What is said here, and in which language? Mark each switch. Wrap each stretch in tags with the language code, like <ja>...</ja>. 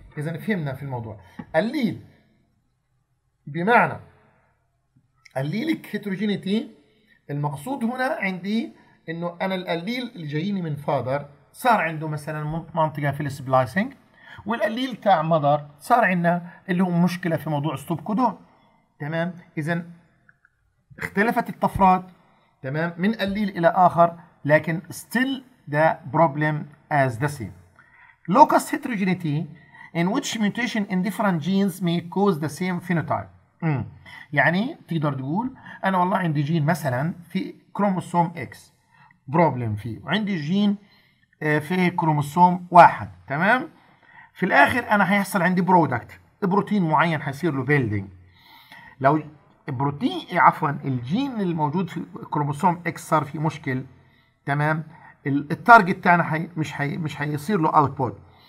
<ar>إذن فهمنا في الموضوع الليل، بمعنى الليلك heterogeneity المقصود هنا عندي إنه أنا الليل اللي جاييني من father صار عنده مثلا منطقة في السبلايسينج، والقليل تاع مدر صار عندنا اللي هو مشكلة في موضوع ستوب كودون، تمام. إذا اختلفت الطفرات، تمام، من قليل إلى آخر، لكن</ar> <en>still the problem as the same. Locus heterogeneity in which mutation in different genes may cause the same phenotype.</en> <ar>يعني تقدر تقول أنا والله عندي جين مثلا في كروموسوم X problem فيه، وعندي جين فيه كروموسوم واحد، تمام؟ في الآخر أنا هيحصل عندي برودكت، بروتين معين هيصير له بيلدينج. لو بروتين، عفواً، الجين الموجود في كروموسوم إكس صار فيه مشكل، تمام؟ التارجت تاعنا مش هيصير له أوتبوت.</ar>